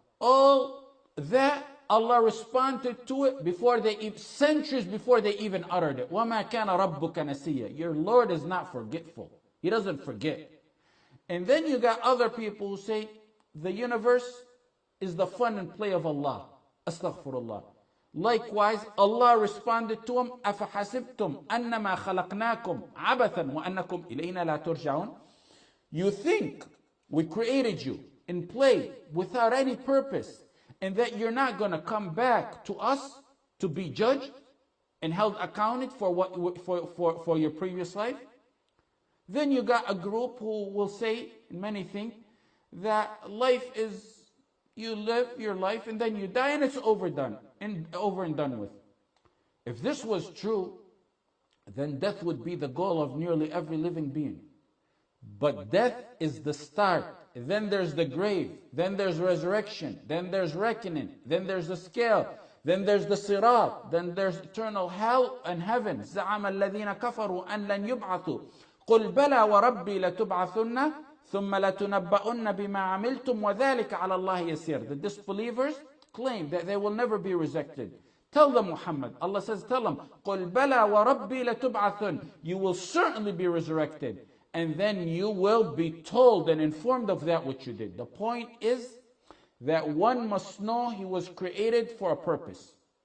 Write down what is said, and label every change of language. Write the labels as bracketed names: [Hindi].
[English] All that, Allah responded to it centuries before they even uttered it. [Arabic] وَمَا كَانَ رَبُّكَ نَسِيَّ. [English] Your Lord is not forgetful. He doesn't forget. And then you got other people who say, the universe is the fun and play of Allah. Astaghfirullah. Likewise, Allah responded to him, [Arabic] أَفَحَسِبْتُمْ أَنَّمَا خَلَقْنَاكُمْ عَبَثًا وَأَنَّكُمْ إِلَيْنَا لَا تُرْجَعُونَ. [English] You think we created you in play without any purpose, and that you're not going to come back to us to be judged and held accounted for what for your previous life? Then you got a group who will say, many think, that life is, you live your life and then you die and it's overdone and over and done with. If this was true, then death would be the goal of nearly every living being. But death is the start. Then there's the grave. Then there's resurrection. Then there's reckoning. Then there's the scale. Then there's the sirat. Then there's eternal hell and heaven. [Arabic] زعم الذين كفروا أن لن يبعثوا قل بلى وربي لتبعثن ثم لتنبؤن بما عملتم وذلك على الله يسير. [English] The disbelievers claim that they will never be resurrected. Tell them, Muhammad. Allah says, tell them, [Arabic] قل بلى وربي لتبعثن. [English] You will certainly be resurrected. And then you will be told and informed of that which you did. The point is that one must know he was created for a purpose.